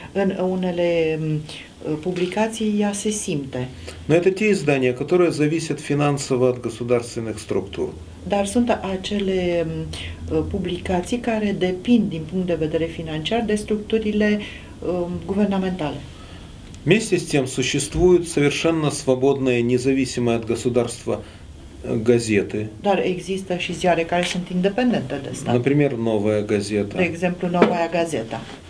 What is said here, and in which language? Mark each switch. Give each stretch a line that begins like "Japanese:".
Romanian: În unele publicații ea se simte.
Russian: Но это те издания, которые зависят финансово от государственных структур.
Romanian: Dar sunt acele publicații care depind din punct de vedere financiar de structurile guvernamentale.
Russian: Вместе с тем существуют совершенно свободные, независимые от государства газеты.
Romanian: Dar există și ziare care sunt independente de stat.
Russian: Например, Новая газета.
Romanian: De exemplu, Новая газета.